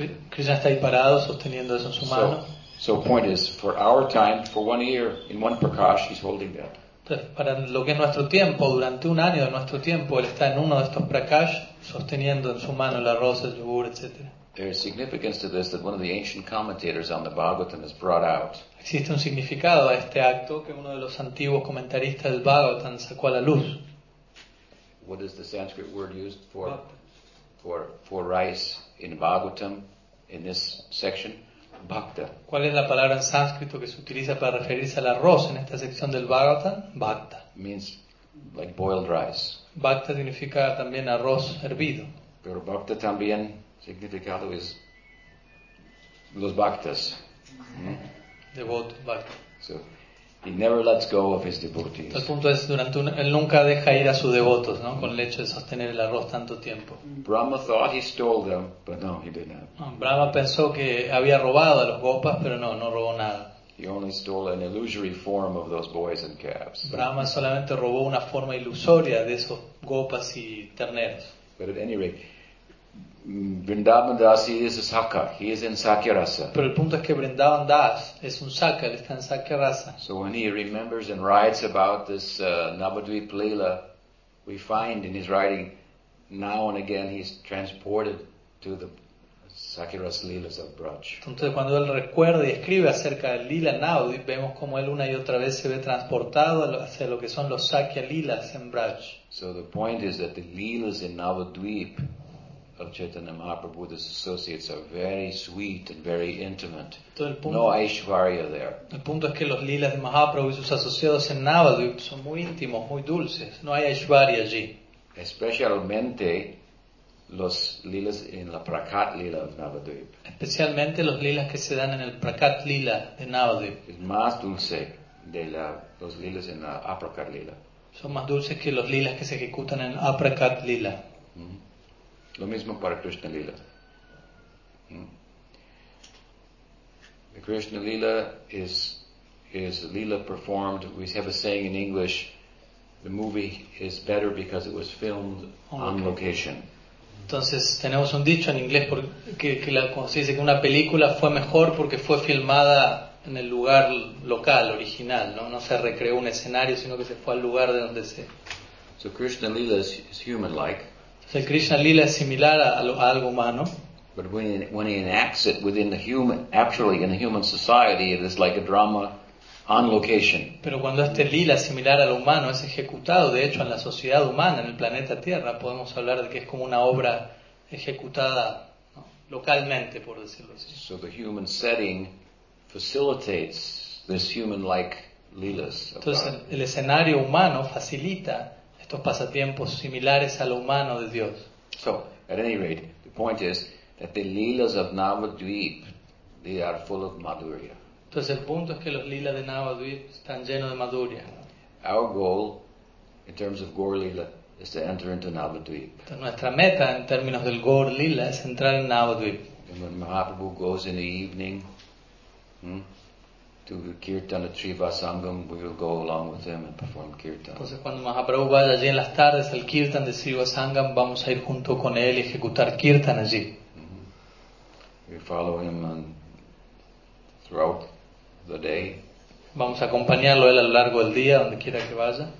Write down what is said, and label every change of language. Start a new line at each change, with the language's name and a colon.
Spanish: Krishna está ahí parado sosteniendo eso en su mano.
English: So point is, for our time, for 1 year, in one prakash, he's holding that.
Spanish: Entonces, para lo que es nuestro tiempo, durante un año de nuestro tiempo, él está en uno de estos prakash, sosteniendo en su mano el arroz, el yogur, etc.
English: There is significance to this that one of the ancient commentators on the Bhagavatam has brought out.
Spanish: Existe un significado a este acto que uno de los antiguos comentaristas del Bhagavatam sacó a la luz.
English: What is the Sanskrit word used for rice in Bhagavatam in this section? Bhakta.
Spanish: ¿Cuál es la palabra en sánscrito que se utiliza para referirse al arroz en esta sección del Bhagavatam? Bhakta.
English: Means like boiled rice.
Spanish: Bhakta significa también arroz hervido. Pero bhakta también significado es los bhaktas. Devoto, bhakta.
English: So he never lets go of his devotees.
Spanish: El punto es durante él nunca deja ir a sus devotos, ¿no? Con el hecho de sostener el arroz tanto tiempo.
English: Brahma thought he stole them, but no, he did not.
Spanish: Brahma pensó que había robado a los gopas, pero no, no robó nada.
English: He only stole an illusory form of those boys and calves.
Spanish: Brahma solamente robó una forma ilusoria de esos gopas y terneros.
English: But at any rate, Vrindavan Das, he is a Sakha. He is in Sakya Rasa.
Spanish: Pero el punto es que Vrindavan Das es un Sakha, él está en Sakya Rasa.
English: So when he remembers and writes about this Navadvip Lila, we find in his writing, now and again he's transported to the Sakya Rasa Lilas of Braj.
Spanish: Entonces cuando él recuerda y escribe acerca del Lila Navadvip, vemos como él una y otra vez se ve transportado hacia lo que son los Sakya Lilas en Braj.
English: So the point is that the Lilas in Navadvip of Caitanya Mahaprabhu, his associates are very sweet and very intimate.
Spanish: Punto,
English: no Aishwarya there.
Spanish: El punto es que los lilas de Mahaprabhu y sus asociados en Navadvip son muy íntimos, muy dulces. No hay Aishwarya allí. Especialmente los lilas en la Prakat Lila of Navadvip. Especialmente los lilas que se dan en el Prakat Lila de Navadvip. Es más dulce de los lilas en la Aprakat Lila. Son más dulces que los lilas que se ejecutan en Aprakat Lila. Mm-hmm. Lo mismo para Krishna Lila.
English: The Krishna Lila is a Lila performed. We have a saying in English, the movie is better because it was filmed on location.
Spanish: Entonces tenemos un dicho en inglés que la consiste que una película fue mejor porque fue filmada en el lugar local, original, ¿no? No se recreó un escenario, sino que se fue al lugar de donde se.
English: So Krishna Lila is human-like.
Spanish: El Krishna Lila es similar a algo humano.
English: But when he enacts it within the human, actually in a human society, it is like a drama on location.
Spanish: Pero cuando este lila similar a lo humano es ejecutado, de hecho, en la sociedad humana, en el planeta Tierra, podemos hablar de que es como una obra ejecutada, ¿no?, localmente, por decirlo así.
English: So the human setting facilitates this human-like lilas.
Spanish: Entonces, el escenario humano facilita estos pasatiempos similares a lo humano de Dios.
English: So, at any rate, the point is that the lilas of Navadvip, they are full of madhurya.
Spanish: Entonces el punto es que los lilas de Navadvip están llenos de madhurya.
English: Our goal, in terms of Gaur Lila, is to enter into Navadvip.
Spanish: Entonces, nuestra meta en términos del Gaur Lila es entrar en Navadvip.
English: And when Mahaprabhu goes in the evening, to Kirtana Triva Sangam, we will go along with him and perform Kirtan.
Spanish: Entonces cuando Mahaprabhu vaya allí en las tardes al Kirtan de Triva Sangam, vamos a ir junto con él y ejecutar Kirtan allí.
English: We follow him throughout the day.
Spanish: Vamos a acompañarlo él a lo largo del día, donde quiera que vaya.